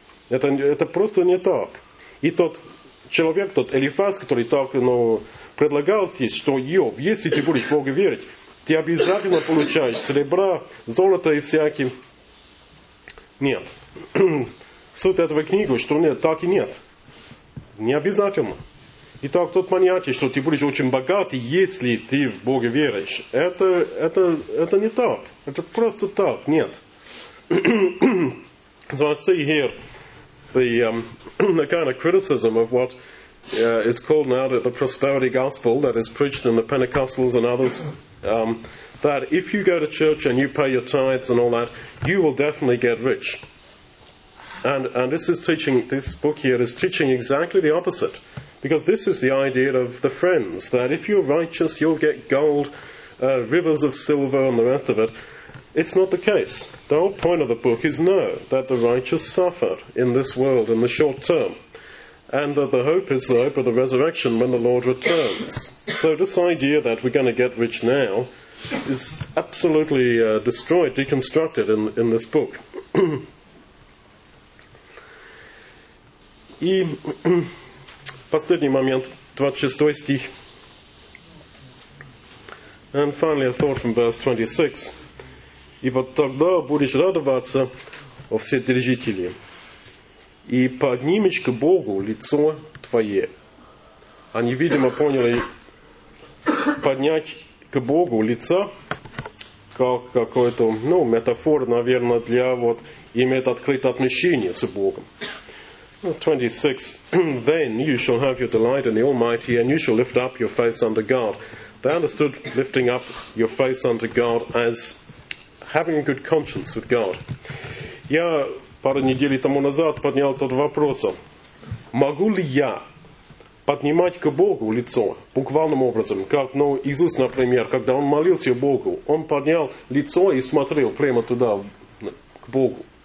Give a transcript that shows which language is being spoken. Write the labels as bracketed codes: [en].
[ru] Это просто не так. И тот человек, тот Элифаз, который так, ну, предлагал здесь, что Иов, если ты будешь Богу верить, ты обязательно получаешь серебра, золото и всякие. Нет. Суть этого книги, что нет, так и нет. Не обязательно. Итак, тот понятие, что ты будешь очень богатый, если ты в Бога веришь, это не так. Это просто так, нет. [en] So I see here the kind of criticism of what is called now the prosperity gospel that is preached in the Pentecostals and others, that if you go to church and you pay your tithes and all that, you will definitely get rich. And this is teaching, this book here is teaching exactly the opposite. Because this is the idea of the friends, that if you're righteous, you'll get gold, rivers of silver and the rest of it. It's not the case. The whole point of the book is no, that the righteous suffer in this world in the short term. And that the hope is the hope of the resurrection when the Lord returns. So this idea that we're going to get rich now is absolutely destroyed, deconstructed in this book. [ru] И последний момент, 26 стих. [en] And finally a thought from verse 26. [ru] Ибо тогда будешь радоваться о вседержителе, и поднимешь к Богу лицо твое. Они, видимо, поняли поднять к Богу лицо, как какую-то, ну, метафору, наверное, для вот иметь открытое отношение с Богом. [en] 26, then you shall have your delight in the Almighty, and you shall lift up your face unto God. They understood lifting up your face unto God as having a good conscience with God. [ru] Я пару недель тому назад поднял тот вопрос, могу ли я поднимать к Богу лицо, буквальным образом, как, ну, Иисус, например, когда он молился Богу, он поднял лицо и смотрел прямо туда, к Богу.